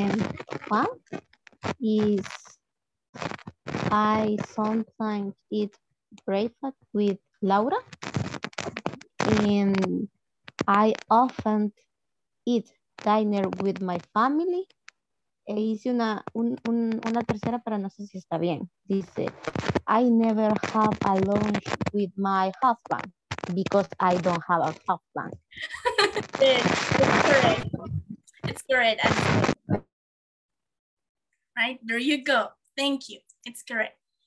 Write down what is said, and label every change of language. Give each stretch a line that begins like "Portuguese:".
English: Sentence one is I sometimes eat breakfast with Laura, and I often eat dinner with my family.
Spanish: E hice una tercera, pero no sé si está bien. Dice,
English: I never have a lunch with my husband because I don't have a husband. It's correct. It's correct. Right, there you go. Thank you. It's correct.